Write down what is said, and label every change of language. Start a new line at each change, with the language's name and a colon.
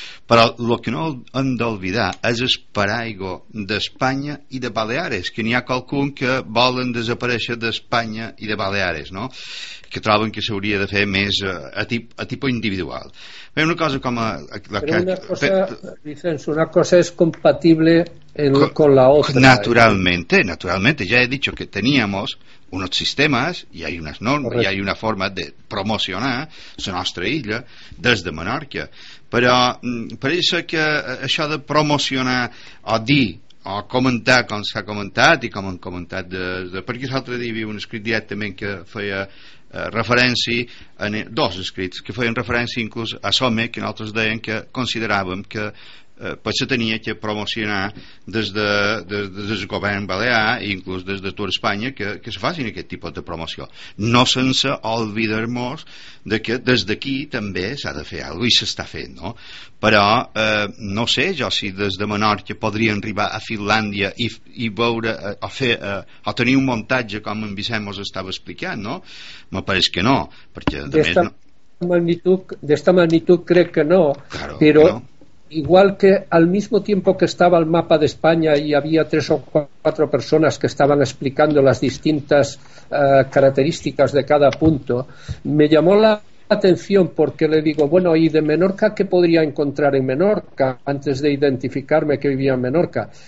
Catalan: Però el que no hem d'oblidar és el paraigo d'Espanya i de Baleares, que n'hi ha qualcun que volen desaparèixer d'Espanya i de Baleares, no? Que troben que s'hauria de fer més a tipus individual. Bé, una cosa com la que...
Spanish: Vicenç, una cosa és compatible con la otra. Naturalmente, naturalmente. Ya he dicho que teníamos unos sistemas y hay unas normas.
Catalan: Correcte.
Spanish: Y hay una forma de promocionar
Catalan: la nostra illa des de
Spanish: Menorca.
Catalan: Però per això que això de promocionar o dir o comentar com s'ha comentat i com han comentat de... Perquè l'altre dia hi havia un escrit directament que feia referència a dos escrits que feien referència inclús a Somme, que nosaltres deien que consideràvem que potser tenia que promocionar des del govern balear i inclús des de tot Espanya que se facin aquest tipus de promoció, no sense oblidar-nos de que des d'aquí també s'ha de fer alguna cosa i s'està fent, no? Però no sé jo si des de Menorca podrien arribar a Finlàndia i veure o fer o tenir un muntatge com en Vicent mos estava explicant, no? Me pareix que no, perquè d'esta magnitud crec que no, claro, però no.
Spanish: Igual que al mismo tiempo que estaba el mapa de España y había tres o cuatro personas que estaban explicando las distintas características de cada punto, me llamó la atención porque le digo, bueno, ¿y de Menorca qué podría encontrar en Menorca antes de identificarme que vivía en Menorca?